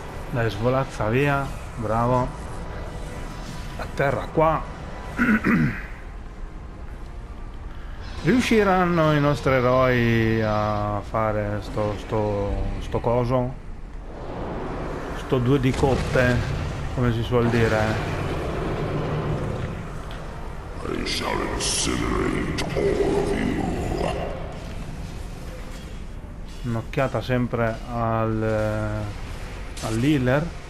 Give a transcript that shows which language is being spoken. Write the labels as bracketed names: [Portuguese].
[Italian] Dai, svolazza via, bravo. A terra qua. Riusciranno i nostri eroi a fare sto coso? Sto due di coppe, come si suol dire. [English] I shall incinerate all of you. [Italian] Un'occhiata sempre al healer.